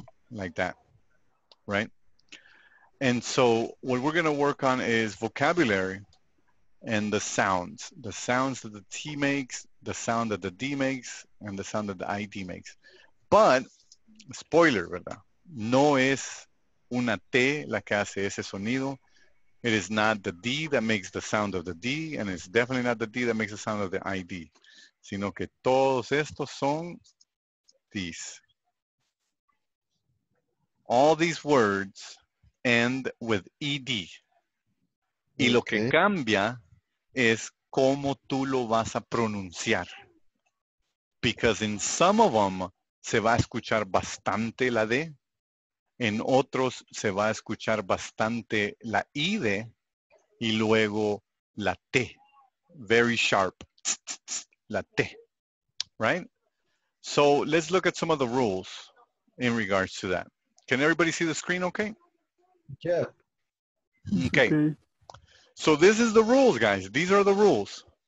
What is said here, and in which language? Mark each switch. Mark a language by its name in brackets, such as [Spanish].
[English] Like that, right? And so what we're gonna work on is vocabulary and the sounds that the T makes, the sound that the D makes, and the sound that the ID makes. But, spoiler, ¿verdad? [Spanish] No es una T la que hace ese sonido. [English] It is not the D that makes the sound of the D, and it's definitely not the D that makes the sound of the ID. [Spanish] Sino que todos estos son these. [English] All these words end with ED. [Spanish] Y lo que cambia es cómo tú lo vas a pronunciar. [English] Because in some of them, [Spanish] se va a escuchar bastante la D. En otros, se va a escuchar bastante la ID y luego la T. [English] Very sharp. La T. Right? So let's look at some of the rules in regards to that. Can everybody see the screen okay? Yeah. Okay. So this is the rules, guys. These are the rules.